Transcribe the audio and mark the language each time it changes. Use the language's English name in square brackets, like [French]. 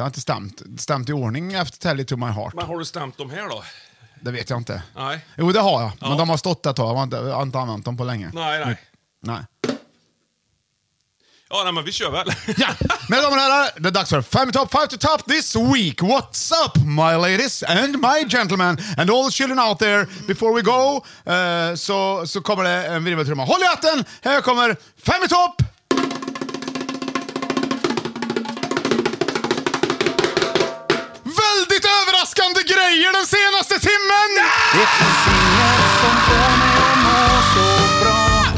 [Swedish] Jag har inte stämt i ordning efter Tell It To My Heart. Men har du stämt dem här då? Det vet jag inte. Nej. Jo, det har jag. Men ja, de har stått där ett tag. Jag har inte använt dem på länge. Nej, nej. Nej. Ja, nej, men vi kör väl. Ja, med de här, det är dags för 5 top, 5 to top this week. [English] What's up, my ladies and my gentlemen and all the children out there. [Swedish] Before we go, så kommer det en virveltrumma. Håll i hatten, här kommer 5 i topp. Överraskande grejer den senaste timmen.